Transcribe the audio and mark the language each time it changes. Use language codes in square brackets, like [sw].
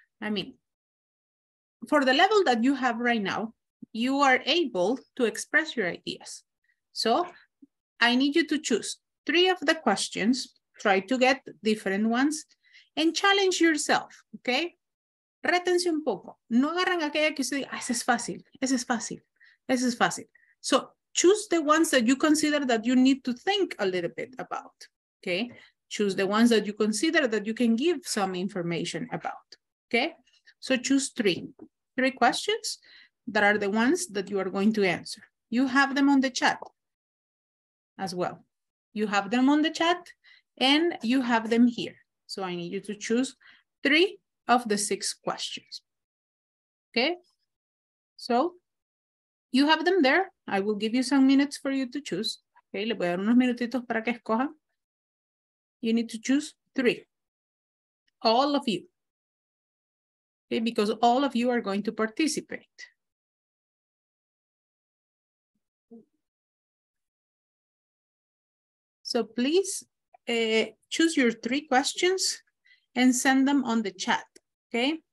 [en] I mean, for the level that you have right now, you are able to express your ideas. So I need you to choose three of the questions, try to get different ones, and challenge yourself, okay? [es] Rétense un poco. No agarran aquella que usted diga, ah, ese es fácil. [en] So choose the ones that you consider that you need to think a little bit about, okay? Choose the ones that you consider that you can give some information about, okay? So choose three questions that are the ones that you are going to answer. You have them on the chat as well. You have them on the chat and you have them here. So I need you to choose three of the six questions, okay? So you have them there. I will give you some minutes for you to choose. [es] Okay, le voy a dar unos minutitos para que escojan. [en] You need to choose three, all of you. Okay, because all of you are going to participate. So please choose your three questions and send them on the chat, okay?